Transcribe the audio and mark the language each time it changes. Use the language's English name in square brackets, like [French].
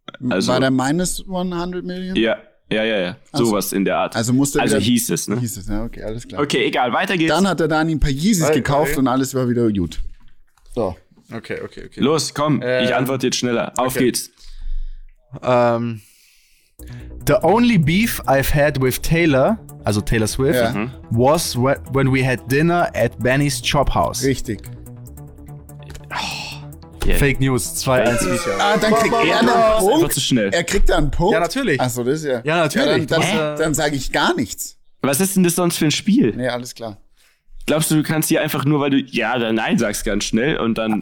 [German] Also, war der minus 100 Millionen? Ja. Ja. Sowas in der Art. Hieß es, ja, okay, alles klar. Okay, egal, weiter geht's. Dann hat der Dani ein paar Yeezys gekauft und alles war wieder gut. So. Okay. Los, komm, ich antworte jetzt schneller. Auf geht's. [English] The only beef I've had with Taylor Swift, was when we had dinner at Benny's Chop House. [German] Richtig. Yeah. Fake News, 2-1. Dann kriegt er einen Punkt. Zu schnell. Er kriegt da einen Punkt. Ja, natürlich. Achso, das ist ja. Ja, natürlich. Ja, dann sage ich gar nichts. Was ist denn das sonst für ein Spiel? Nee, alles klar. Glaubst du, du kannst hier einfach nur, weil du ja oder nein sagst, ganz schnell und dann.